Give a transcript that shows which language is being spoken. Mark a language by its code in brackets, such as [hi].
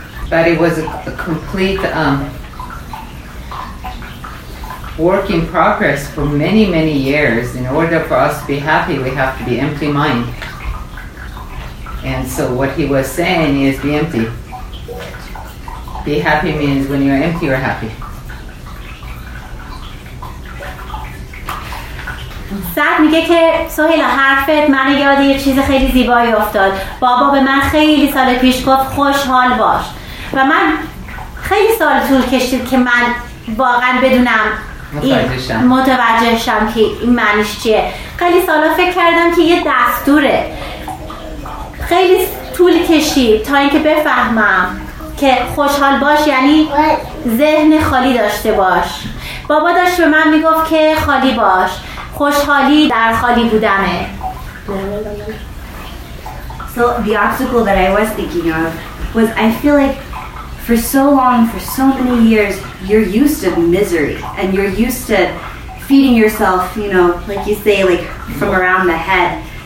[en] But it was a complete work in progress for many, many years. In order for us to be happy, we have to be empty mind. And so what he was saying is be empty. Be happy means when you're empty, you're happy. [fa] سعد میگه که سهیلا حرفت من یاد یه چیز خیلی زیبایی افتاد. بابا به من خیلی سال پیش گفت خوشحال باش و من خیلی سال طول کشید که من واقعا بدونم متوجه شم که این معنیش چیه. خیلی سالا فکر کردم که یه دستوره. خیلی طول کشید تا اینکه بفهمم که خوشحال باش یعنی ذهن خالی داشته باش. بابا داشت به من میگفت که خالی باش، خوشحالی در خالی بودنه. [en] So the obstacle that I was thinking of was I feel like for so long, for so many years, you're used to misery and you're used to feeding yourself, you know, like you say, like from around the head.